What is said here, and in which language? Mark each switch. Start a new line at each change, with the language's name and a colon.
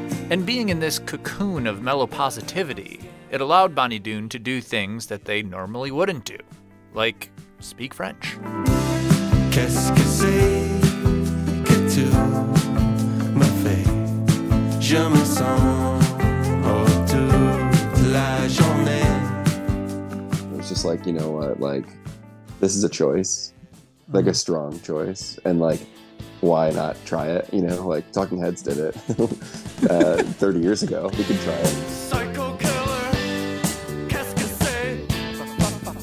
English: And being in this cocoon of mellow positivity, it allowed Bonny Doon to do things that they normally wouldn't do, like speak French.
French: Qu'est-ce que c'est que tu m'as fait? Je me sens hors toute la journée.
English: It's just like, you know what, like, this is a choice, like a strong choice, and like, why not try it? You know, like Talking Heads did it 30 years ago. We can try it.
French: Psycho killer. Qu'est-ce que c'est?